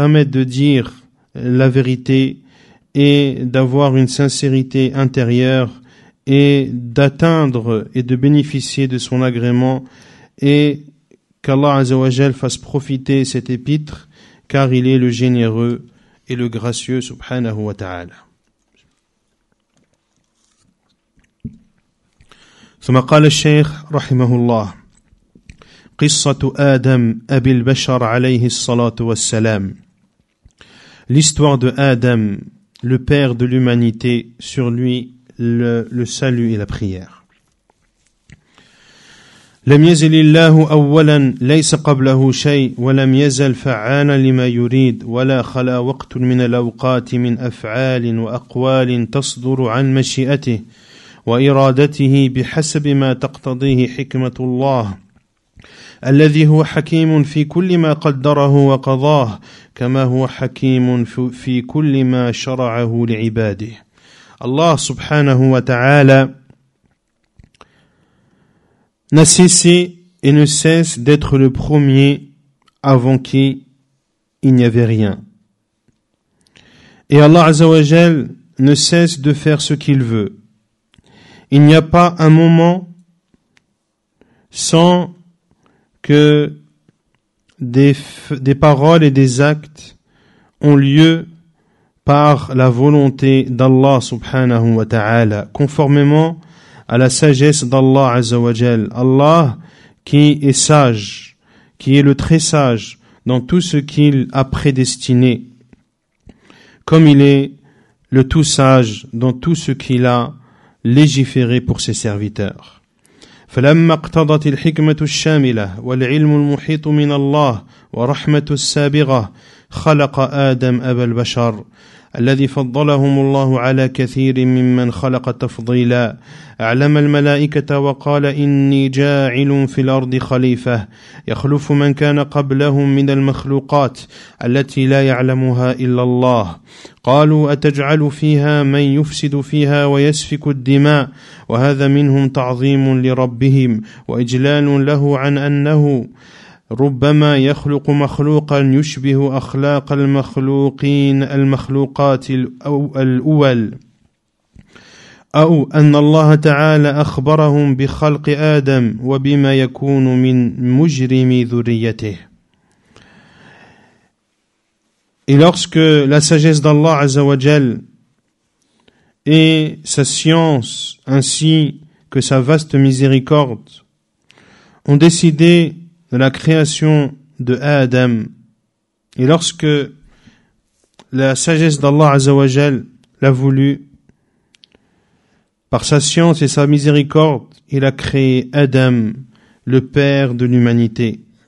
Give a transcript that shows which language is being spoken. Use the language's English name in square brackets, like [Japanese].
[French] de dire la vérité et d'avoir une sincérité intérieure et d'atteindre et de bénéficier de son agrément, et qu'Allah Azza wa Jal fasse profiter cet épître, car il est le généreux et le gracieux subhanahu wa ta'ala. [Arabic] ثم قال الشيخ رحمه الله قصة آدم أبي البشر عليه الصلاة والسلام. [French] L'histoire de Adam, le père de l'humanité, sur lui le salut et la prière. [Arabic] لم يزل الله أولا ليس قبله شيء ولم يزل فعالا لما يريد ولا خلا وقت من الأوقات من أفعال وأقوال تصدر عن مشيئته وإرادته بحسب ما تقتضيه حكمة الله الذي هو حكيم في كل ما قدره وقضاه كما هو حكيم في كل ما شرعه لعباده. الله سبحانه وتعالى [French] n'a cessé et ne cesse d'être le premier avant qui il n'y avait rien. Et Allah [Arabic] عز وجل [French] ne cesse de faire ce qu'il veut. Il n'y a pas un moment sans que des paroles et des actes ont lieu par la volonté d'Allah subhanahu wa ta'ala, conformément à la sagesse d'Allah azza wa jal. Allah qui est sage, qui est le très sage dans tout ce qu'il a prédestiné, comme il est le tout sage dans tout ce qu'il a légiféré pour ses serviteurs. [Arabic] فلما اقتضت الحكمة الشاملة والعلم المحيط من الله ورحمة السابغة خلق آدم أبا البشر الذي فضلهم الله على كثير ممن خلق تفضيلا أعلم الملائكة وقال إني جاعل في الأرض خليفة يخلف من كان قبلهم من المخلوقات التي لا يعلمها إلا الله قالوا أتجعل فيها من يفسد فيها ويسفك الدماء وهذا منهم تعظيم لربهم وإجلال له عن أنه ربما يخلق مخلوقا يشبه أخلاق المخلوقين المخلوقات الأول أو أن الله تعالى أخبرهم بخلق آدم وبما يكون من مجرم ذريته. [French] Et lorsque la sagesse d'Allah Azza wa Jal et sa science ainsi que sa vaste miséricorde ont décidé de la création de Adam, et lorsque la sagesse d'Allah Azzawajal l'a voulu, par sa science et sa miséricorde, il a créé Adam, le père de l'humanité.